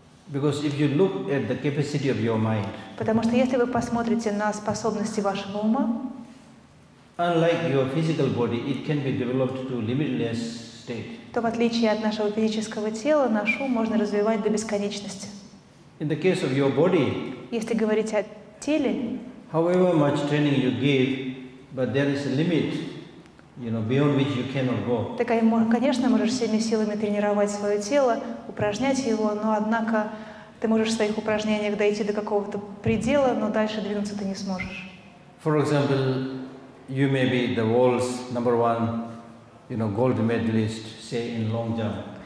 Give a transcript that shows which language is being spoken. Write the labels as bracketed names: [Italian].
[English] Because if you look at the capacity of your mind. [Russian] Потому что если вы посмотрите на способности вашего ума. [English] Unlike your physical body, it can be developed to limitless state. [Russian] То в отличие от нашего физического тела, наш ум можно развивать до бесконечности. [English] In the case of your body. [Russian] Если говорить о теле. [English] However much training you give, but there is a limit, you know, beyond which you cannot go. [Russian] Так, конечно, можешь всеми силами тренировать свое тело, упражнять его, но однако ты можешь в своих упражнениях дойти до какого-то предела, но дальше двинуться ты не сможешь. [English] For example, you may be the world's number one, you know, gold medalist, say in long jump.